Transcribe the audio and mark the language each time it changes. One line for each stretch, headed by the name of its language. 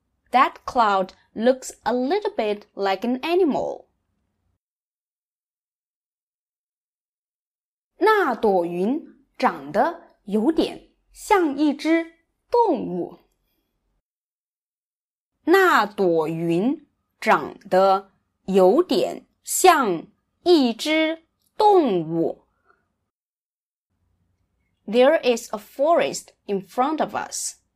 English: That cloud looks a little bit like an animal.
Chinese: 那朵云长得有点像一只动物。那朵云长得有点像一只动物。
English: There is a forest in front of us.